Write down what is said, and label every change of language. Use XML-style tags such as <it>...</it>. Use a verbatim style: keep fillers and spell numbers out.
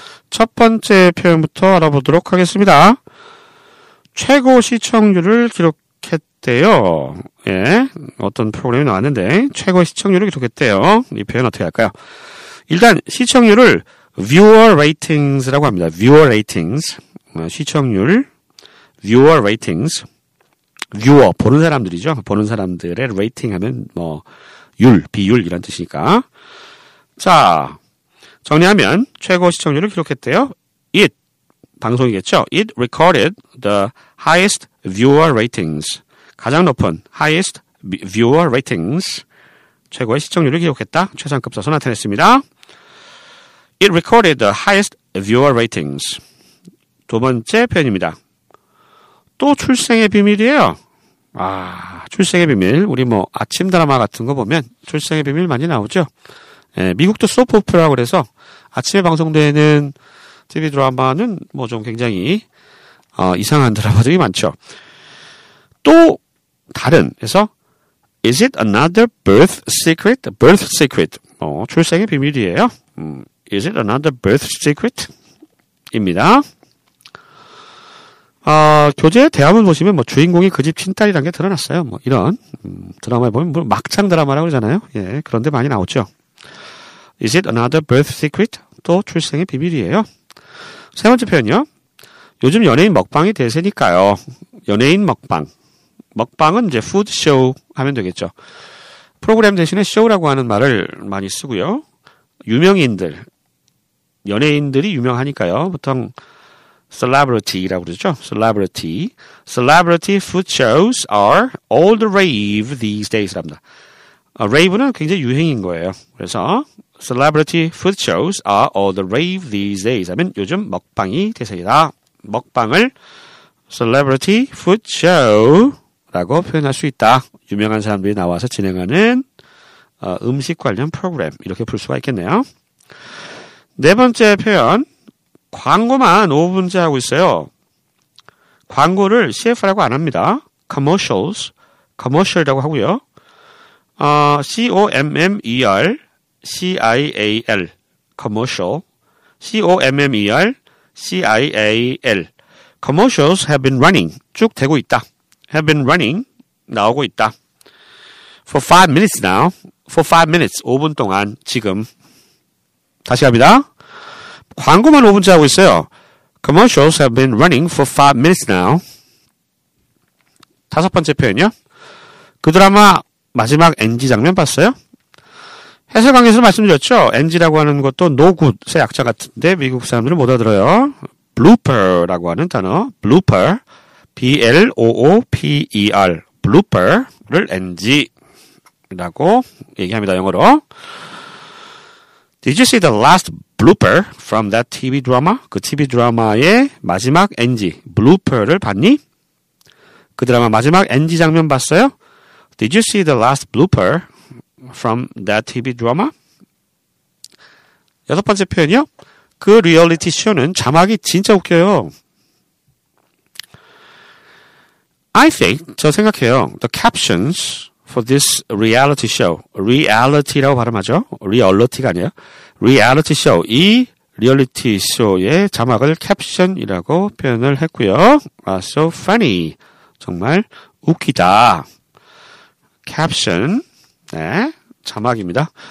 <ko>첫 번째 표현부터 알아보도록 하겠습니다. 최고 시청률을 기록했대요. 예, 어떤 프로그램이 나왔는데 최고 시청률을 기록했대요. 이 표현 어떻게 할까요? 일단 시청률을 viewer ratings라고 합니다. viewer ratings. 시청률, viewer ratings. viewer, 보는 사람들이죠. 보는 사람들의 rating 하면 뭐 율, 비율이란 뜻이니까. 자, 정리하면 최고 시청률을 기록했대요. It, 방송이겠죠.</ko> <en>It recorded the highest viewer ratings.</en> <ko>가장 높은</ko> <en>highest viewer ratings.</en> <ko>최고의 시청률을 기록했다. 최상급 써서 나타냈습니다.</ko> <en>It recorded the highest viewer ratings.</en> <ko>두 번째 표현입니다. 또 출생의 비밀이에요. 아, 출생의 비밀. 우리 뭐 아침 드라마 같은 거 보면 출생의 비밀 많이 나오죠. 예, 미국도 소프오페라고 그래서 아침에 방송되는 티비 드라마는 뭐 좀 굉장히 어, 이상한 드라마들이 많죠. 또 다른 그래서</ko> <en>Is it another birth secret? Birth secret.</en> <ko>어, 출생의 비밀이에요.</ko> <en>음, Is it another birth secret? 입니다.</en> <ko>어, 교재 대화문 보시면 뭐 주인공이 그 집 친딸이라는 게 드러났어요. 뭐 이런 음, 드라마에 보면 뭐 막창 드라마라고 그러잖아요. 예, 그런데 많이 나오죠.</ko> <en>Is it another birth secret?</en> <ko>또 출생의 비밀이에요. 세 번째 표현이요. 요즘 연예인 먹방이 대세니까요. 연예인 먹방. 먹방은 이제 푸드 쇼 하면 되겠죠. 프로그램 대신에 쇼라고 하는 말을 많이 쓰고요. 유명인들. 연예인들이 유명하니까요. 보통 celebrity라고 그러죠.</ko> <en>celebrity. celebrity food shows are all the rave these days 랍니다.</en> <ko>어, rave는 굉장히 유행인 거예요.</ko> <en>그래서 celebrity food shows are all the rave these days 하면</en> <ko>요즘 먹방이 대세이다. 먹방을 celebrity food show라고 표현할 수 있다. 유명한 사람들이 나와서 진행하는 어, 음식 관련 프로그램 이렇게 볼 수가 있겠네요. 네 번째 표현. 광고만 오 분째 하고 있어요. 광고를 씨에프라고 안 합니다. commercials, commercial이라고 하고요.</ko> <en>어, C-O-M-M-E-R, C-I-A-L, commercial, C-O-M-M-E-R, C-I-A-L. commercials have been running,</en> <ko>쭉 되고 있다.</ko> <en>have been running,</en> <ko>나오고 있다.</ko> <en>for five minutes now, for five minutes,</en> <ko>오 분 동안 지금. 다시 갑니다. 광고만 오 분째 하고 있어요.</ko> <en>Commercials have been running for five minutes now.</en> <ko>다섯 번째 표현이요. 그 드라마 마지막 엔지 장면 봤어요? 해설 강의에서 말씀드렸죠. 엔지라고 하는 것도 no good의 약자 같은데 미국 사람들은 못 알아들어요. blooper라고 하는 단어. blooper, B-L-O-O-P-E-R, blooper를 엔지라고 얘기합니다. 영어로.</ko> <en>Did you see the last blooper from that 티비 drama?</en> <ko>그 티비 드라마의 마지막 엔지, blooper를 봤니? 그 드라마 마지막 엔지 장면 봤어요?</ko> <en>Did you see the last blooper from that 티비 drama?</en> <ko>여섯 번째 표현이요. 그 리얼리티 쇼는 자막이 진짜 웃겨요.</ko> <en>I think,</en> <ko>저 생각해요.</ko> <en>The captions for this reality show.</en> <ko>reality라고 발음하죠. 리얼리티가 아니에요. reality show. 이 리얼리티 쇼의 자막을 캡션이라고 표현을 했고요. 아,</ko> <en>so funny.</en> <ko>정말 웃기다. 캡션. 네. 자막입니다.</ko>